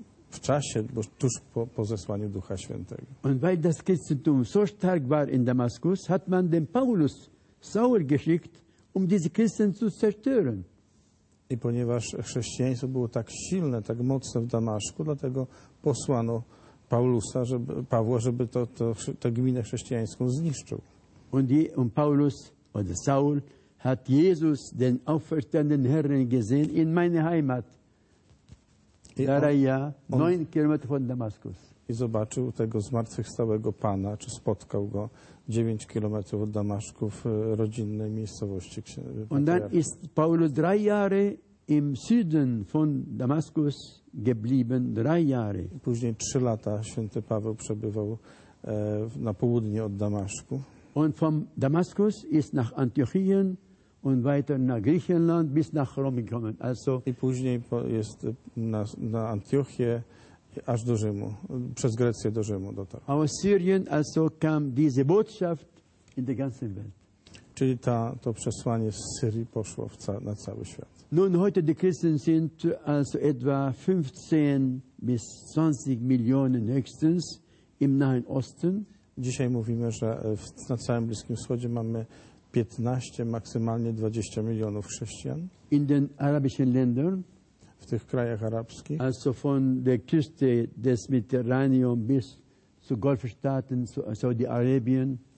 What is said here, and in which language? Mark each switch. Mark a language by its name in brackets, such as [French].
[Polish] W czasie, bo tuż po zesłaniu Ducha Świętego. [German] Und weil das Christentum so stark war in Damaskus, hat man den Paulus Saul geschickt, diese Christen zu zerstören. [Polish] I ponieważ chrześcijaństwo było tak silne, tak mocne w Damaszku, dlatego posłano Pawła, żeby tę gminę chrześcijańską zniszczył. [German] Und Paulus oder Saul hat Jesus den auferstandenen Herrn gesehen in meine Heimat. Daraja, 9 km von Damaskus. [Polish] I zobaczył tego zmartwychwstałego Pana, czy spotkał go 9 km od Damaszku w rodzinnej miejscowości. [German] Und dann ist Paulus 3 Jahre im Süden von Damaskus geblieben, 3 Jahre. [Polish] Później 3 lata święty Paweł przebywał na południe od Damaszku. [German] Und vom Damaskus ist nach Antiochien und weiter nach Griechenland bis nach Rom gekommen. Also [Polish] i później jest na Antiochię aż do Rzymu, przez Grecję do Rzymu dotarł. [German] Aus Syrien also kam diese Botschaft in die ganze Welt. [Polish] Czyli to przesłanie z Syrii poszło na cały świat. [German] Nun heute die Christen sind also etwa 15 bis 20 Millionen höchstens im Nahen Osten. [Polish] Dzisiaj mówimy, że na całym Bliskim Wschodzie mamy 15, maksymalnie 20 milionów chrześcijan. [German] In den arabischen Ländern. [Polish] W tych krajach arabskich. [German] Also von der Küste des Mediterranium bis zu Golfstaaten, zu Saudi-Arabien.